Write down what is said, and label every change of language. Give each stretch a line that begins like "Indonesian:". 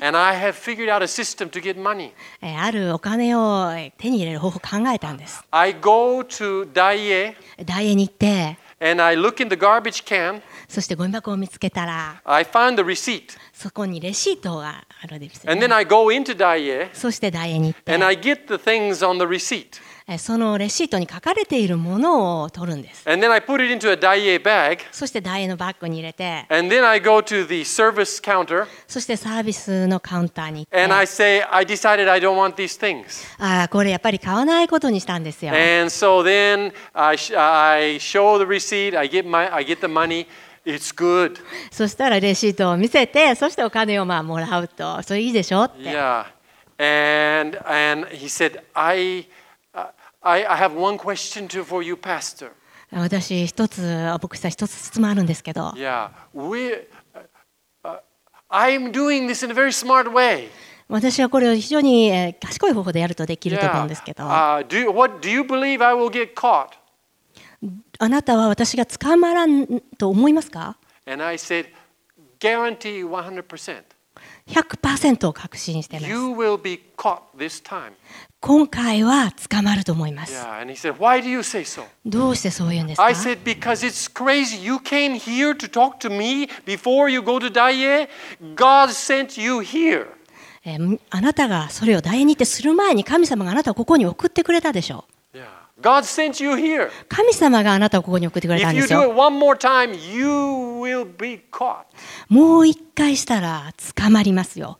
English: And I have figured out a system to get money.
Japanese: あるお金を手に入れる方法を考えたんです。
English: I go to Daiye.
Japanese: Daiye に行って、
English: And I look in the garbage can.
Japanese: そしてゴミ箱を見つけたら、
English: I find the receipt.
Japanese: そこにレシートがあるんですよね。
English: And then I go into Daiye.
Japanese: そしてダイエに行って、
English: And I get the things on the receipt.
Japanese: そのレシートに書かれているものを取るんです。
English: And then I put it into a Daiye bag.
Japanese: そしてダイエのバッグに入れて、
English: And then I go to the service counter.
Japanese: そしてサービスのカウンターに行って、
English: And I say, I decided I don't want these things.
Japanese: これやっぱり買わないことにしたんですよ。
English: And so then I show the receipt. I get the money. It's good.
Japanese: そしたらレシートを見せて、そしてお金をまあもらうと、それいいでしょって。
English: Yeah. And he said, I have one question for you, Pastor.
Japanese: 私一つ、僕さ一つ質問あるんですけど。
English: Yeah. I'm doing this in a very smart way.
Japanese: 私はこれを非常に賢い方法でやるとできると思うんですけど。
English: Yeah. Do you believe I will get caught?
Japanese: あなたは私が捕まらんと思いますか？
English: And I said, guarantee 100%.
Japanese: 100% を確信してます。
English: You will be caught this time.
Japanese: 今回は捕まると思います。
English: Yeah, and he said, why do you say so?
Japanese: どうしてそう言うんですか？
English: I said, because it's crazy. You came here to talk to me before you go to Daiye. God sent you here.
Japanese: あなたがそれをダイエに行ってする前に神様があなたをここに送ってくれたでしょう。
English: God sent you here.
Japanese: 神様があなたをここに送ってくれたんですよ。
English: If you do it one more time, you will be caught.
Japanese: もう一回したら捕まりますよ。